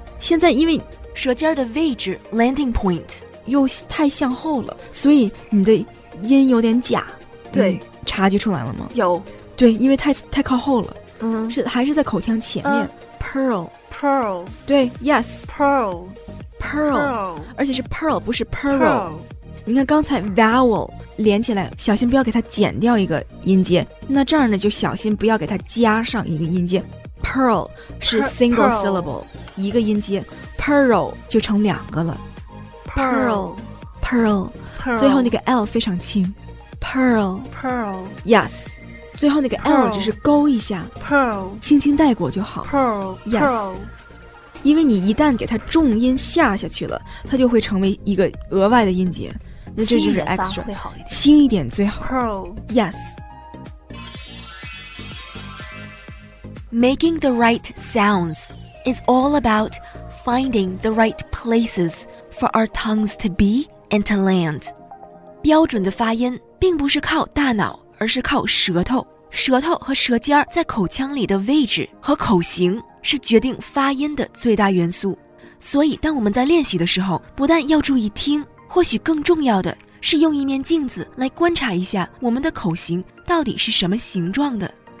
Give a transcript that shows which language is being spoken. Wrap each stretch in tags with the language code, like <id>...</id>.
<zh>现在因为舌尖的位置 Landing Point又太向后了，所以你的音有点假，对、察觉出来了吗？有，对，因为太靠后了，嗯，是还是在口腔前面、Pearl</zh> <en>Pearl，对 Yes Pearl</en> <zh>Pearl， 而且是 Pearl 不是 Pearl,</zh> <en>Pearl。</en> <zh>你看刚才 Vowel 连起来，小心不要给它剪掉一个音节，那这样呢就小心不要给它加上一个音节， Pearl 是 single</zh> <en>Pearl</en> <zh>syllable 一个音节， Pearl 就成两个了</zh> <en>Pearl, Pearl, Pearl，</en> <zh>最后那个 L 非常轻 Pearl</zh> <en>Pearl</en> <zh>Yes， 最后那个 L 只是勾一下</zh> <en>Pearl，</en> <zh>轻轻带过就好</zh> <en>Pearl Yes Pearl，</en> <zh>因为你一旦给它重音下下去了，它就会成为一个额外的音节，那这就是 extra，轻一点会好一点，轻一点最好</zh> <en>Pearl Yes。 Making the right sounds is all about finding the right placesFor our tongues to be and to land.</en> <zh>标准的发音并不是靠大脑，而是靠舌头。舌头和舌尖在口腔里的位置和口型是决定发音的最大元素。所以当我们在练习的时候，不但要注意听，或许更重要的是用一面镜子来观察一下我们的口型到底是什么形状的。</zh>